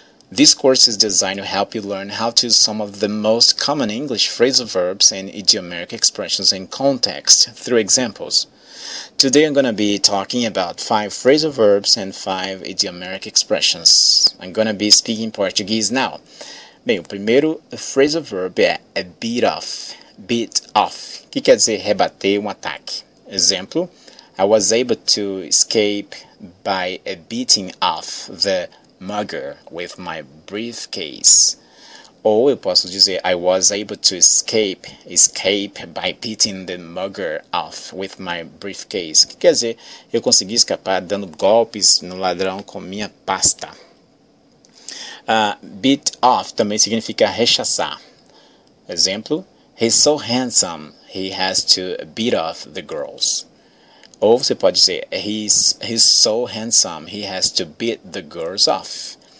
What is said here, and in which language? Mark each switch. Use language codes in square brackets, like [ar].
[en] This course is designed to help you learn how to use some of the most common English phrasal verbs and idiomatic expressions in context through examples. Today I'm going to be talking about 5 phrasal verbs and 5 idiomatic expressions. I'm going to be speaking Portuguese now. [pt] Bem, o primeiro phrasal verb é a bit off. Bit off, que quer dizer rebater um ataque. [en] Exemplo, I was able to escape by beating off the mugger with my briefcase. [pt] Ou eu posso dizer, [en] I was able to escape by beating the mugger off with my briefcase. [pt] Que quer dizer, eu consegui escapar dando golpes no ladrão com minha pasta. Beat off também significa rechaçar. Exemplo, [en] he's so handsome, he has to beat off the girls. [pt] Ou você pode dizer, [en] he's so handsome, he has to beat the girls off.